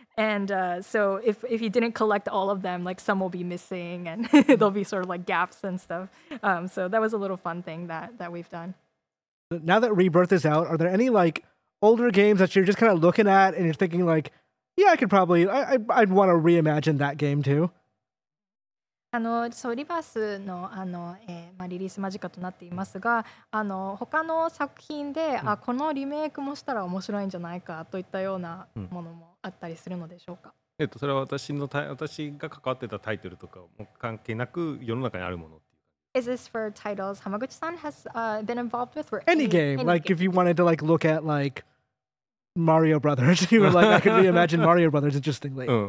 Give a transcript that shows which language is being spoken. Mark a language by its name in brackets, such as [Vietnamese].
[English] And so if you didn't collect all of them, like some will be missing and there'll be sort of like gaps and stuff. So that was a little fun thing that we've done. Now that Rebirth is out, are there any like older games that you're just kind of looking at and you're thinking like, yeah, I could probably, I'd want to reimagine that game too? [Japanese] そうリバースの、まあ、リリース間近となっていますが、他の作品で、うん、あこのリメイクもしたら面白いんじゃないかといったようなものもあったりするのでしょうか。うん、それは私が関わってたタイトルとかも関係なく世の中にあるもの。 [English] Is this for titles Hamaguchi-san has been involved with? Or any game. Any like, game. If you wanted to like look at like Mario Brothers, you were like, I could reimagine Mario Brothers interestingly.